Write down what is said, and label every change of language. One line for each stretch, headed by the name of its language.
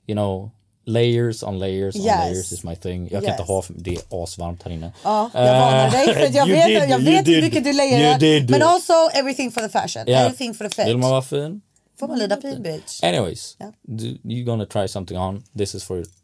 English: You know, layers on layers on layers is my thing.
Swedish: Jag kan inte ha, det är asvarmt här inne. Jag vet hur mycket du layerar.
English: You did. Men also everything for the fashion. Yeah. Everything for the fit.
Swedish: Vill man vara fin? Får man lida pin, bitch.
English: Anyways, you're gonna try something on. This is for